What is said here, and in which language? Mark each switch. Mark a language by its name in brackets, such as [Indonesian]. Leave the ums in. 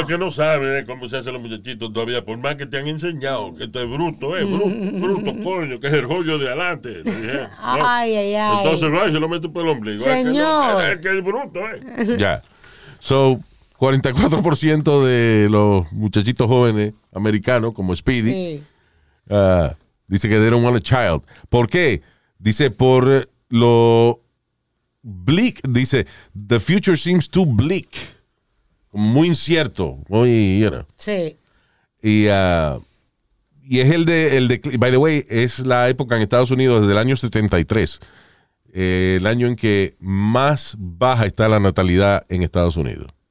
[Spanish] es que no sabes eh, cómo se hacen los muchachitos todavía, por más que te han enseñado que esto es bruto, eh, bruto, bruto, coño, que es el rollo de adelante. Le dije, no. Ay, ay, ay. Entonces, va, se lo meto por el ombligo. Es que no, Señor. Es que es bruto, eh. Ya. So, 44% de los muchachitos jóvenes americanos, como Speedy, Sí. ah, dice que [English] they don't want a child. [Spanish] ¿Por qué? Dice por lo bleak. Dice, [English] the future seems too bleak. [Spanish] Como Muy incierto. Muy, [English] you know. [Spanish] Sí. Y, ah, y es el de, el de, [English] by the way, [Spanish] es la época en Estados Unidos desde el año 73, eh, el año en que más baja está la natalidad en Estados Unidos.